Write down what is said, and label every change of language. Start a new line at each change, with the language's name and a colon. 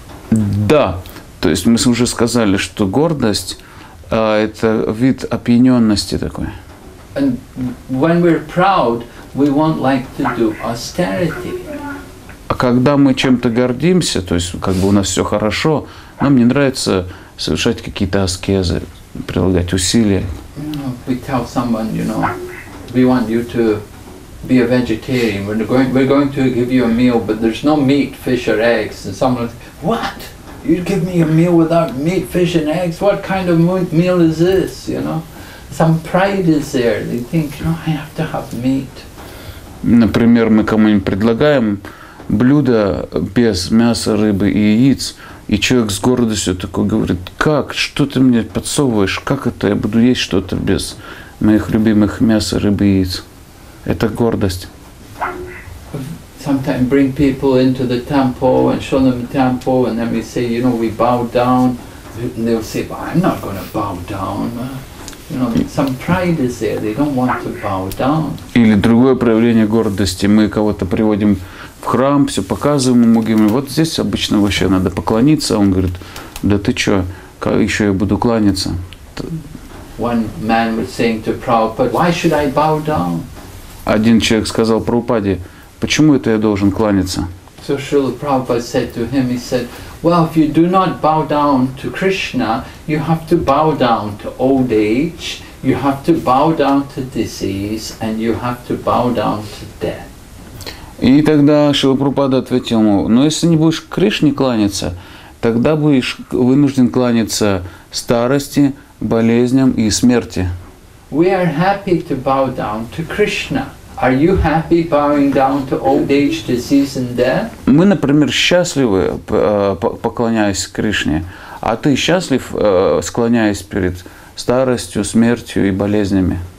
Russian: Да, то есть мы уже сказали, что гордость это вид опьяненности такой.
English: And when we're proud, we want like to do austerity.
Russian: А когда мы чем-то гордимся, то есть как бы у нас все хорошо, нам не нравится совершать какие-то аскезы, прилагать усилия.
English: We tell someone, you know, we want you to be a vegetarian. We're going to give you a meal, but there's no meat, fish or eggs. And someone says, what? You give me a meal without meat, fish and eggs? What kind of meal is this? You know, some pride is there. They think, you know, I have to have meat.
Russian: Например, мы кому-нибудь предлагаем блюдо без мяса, рыбы и яиц, и человек с гордостью такой говорит, как, что ты мне подсовываешь, как это я буду есть что-то без моих любимых мяса, рыбы и яиц. Это гордость.
English: Sometimes bring people into the temple and show them the temple, and then we say, you know, we bow down, and they'll say, well, I'm not going to bow down. You know, some pride is there. They don't want to bow down.
Russian: Или другое проявление гордости. Мы кого-то приводим в храм, все показываем ему, говорим, вот здесь обычно вообще надо поклониться. Он говорит, да ты что, как еще я буду кланяться?
English: One man was saying to Prabhupada, why should I bow down?
Russian: Один человек сказал Прабхупаде, почему это я должен кланяться?
English: So Srila Prabhupada said to him, he said, well, if you do not bow down to Krishna, you have to bow down to old age, you have to bow down to disease, and you have to bow down to death.
Russian: И тогда Шрила Прабхупада ответил ему, ну, если не будешь к Кришне кланяться, тогда будешь вынужден кланяться старости, болезням и смерти.
English: We are happy to bow down to Krishna. Are you happy bowing down to old age, disease and death?
Russian: Мы, например, счастливы, поклоняясь Кришне, а ты счастлив, склоняясь перед старостью, смертью и болезнями?